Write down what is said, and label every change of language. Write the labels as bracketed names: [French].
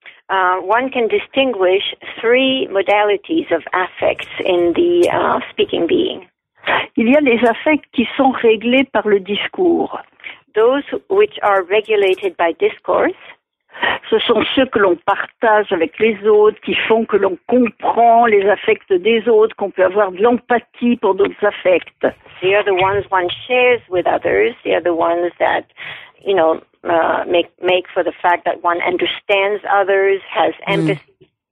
[English] One can distinguish three modalities of affects in the speaking being. [French] Il y a les affects qui sont réglés par le discours. [English] Those which are regulated by discourse. [French] Ce sont ceux que l'on partage avec les autres, qui font que l'on comprend les affects des autres, qu'on peut avoir de l'empathie pour d'autres affects. [English] They are the ones one shares with others. They are the ones that, you know, make for the fact that one understands others, has empathy.